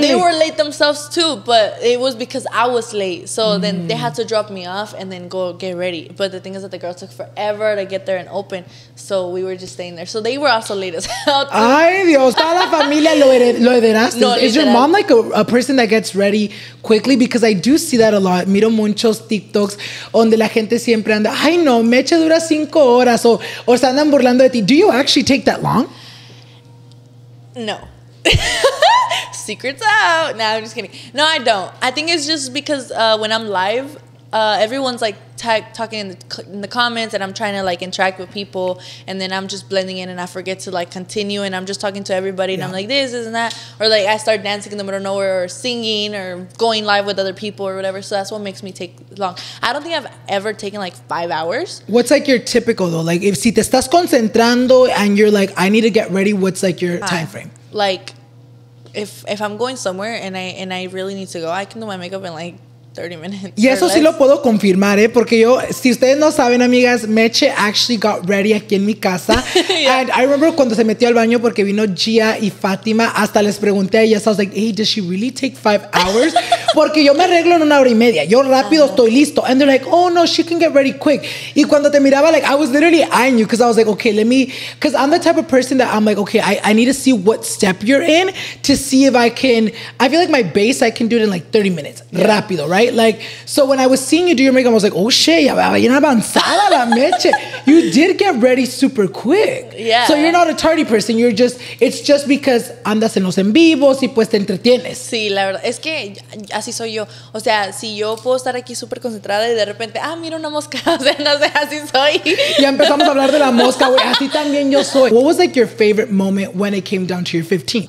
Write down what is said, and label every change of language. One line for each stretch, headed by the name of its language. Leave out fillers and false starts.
English: They were late themselves too, but it was because I was late. So then they had to drop me off and then go get ready. But the thing is that the girls took forever to get there and open. So we were just staying there. So they were also late as hell
Spanish: too. Ay, Dios. Toda la familia lo heredaste.
English: No, is your mom like a person that gets ready quickly? Because I do see that a lot.
Spanish: Miro muchos TikToks donde la gente siempre anda, ay, no, mecha dura 5 horas. O se andan burlando de ti.
English: Do you actually take that long? No. Secrets out. No, I'm just kidding. No, I don't. I think it's just because when I'm live, everyone's like talking in the comments and I'm trying to like interact with people and then I'm just blending in and I forget to like continue and I'm just talking to everybody and I'm like this isn't that, or like I start dancing in the middle of nowhere or singing or going live with other people or whatever. So that's what makes me take long. I don't think I've ever taken like 5 hours. What's like your typical though, like if
Spanish: si te estás concentrando
English: and you're like I need to get ready, what's like your time frame? Like if I'm going somewhere and I really need to go, I can do my makeup in like 30 minutes.
Spanish: Y eso sí lo puedo confirmar, porque yo, si ustedes no saben, amigas,
English: Meche actually got ready
Spanish: aquí en mi casa. Yeah.
English: And I remember
Spanish: cuando se metió al baño porque vino Gia y Fátima, hasta les pregunté a ellas,
English: I was like, hey, does she really take 5 hours?
Spanish: Porque yo me arreglo en 1 hora y media. Yo rápido estoy listo.
English: And they're like, oh, no, she can get ready quick.
Spanish: Y cuando te miraba,
English: like, I was literally eyeing you because I was like, okay, let me, because I'm the type of person that I'm like, okay, I need to see what step you're in to see if I can, I feel like my base, I can do it in like 30 minutes. Yeah. Rápido, right? Right? Like, so when I was seeing you do your makeup, I was like, oh shit,
Spanish: ya va bien avanzada la meche.
English: You did get ready super quick. Yeah. So you're not a tardy person. You're just, it's just because
Spanish: andas en los en vivos y pues te entretienes. Sí, la verdad. Es que así soy yo. O sea, si yo puedo estar aquí súper concentrada y de repente, ah, mira una mosca. O sea, no sé, así soy. Ya empezamos a hablar de la mosca, güey. Así también yo soy.
English: What was like your favorite moment when it came down to your 15th?